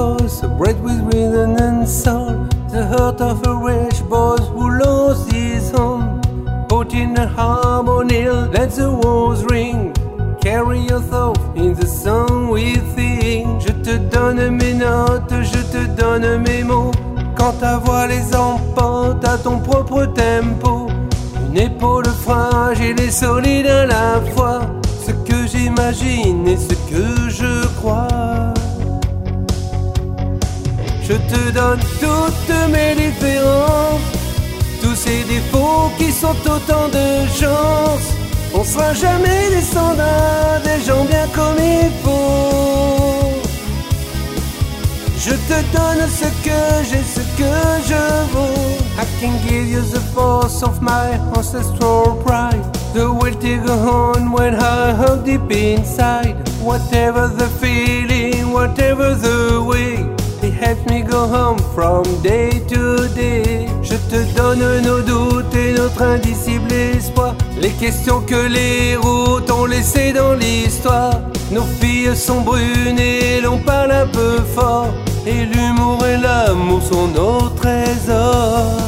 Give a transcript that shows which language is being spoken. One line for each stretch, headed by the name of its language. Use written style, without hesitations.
English: is a bread with rhythm and soul. The heart of a rich boy who lost his home. Put in a harmony, let the walls ring. Carry yourself in the song we sing.
French: Je te donne mes notes, je te donne mes mots. Quand ta voix les emporte à ton propre tempo. Une épaule fragile et solide à la fois. Ce que j'imagine et ce que je crois. Je te donne toutes mes différences. Tous ces défauts qui sont autant de chances. On sera jamais des soldats, des gens bien comme il faut. Je te donne ce que j'ai, ce que je vaux.
English: I can give you the force of my ancestral pride. The will to go on when I hug deep inside. Whatever the feeling, whatever the way. It helps me go home from day to day.
French: Je te donne nos doutes et notre indicible espoir. Les questions que les routes ont laissées dans l'histoire. Nos filles sont brunes et l'on parle un peu fort. Et l'humour et l'amour sont nos trésors.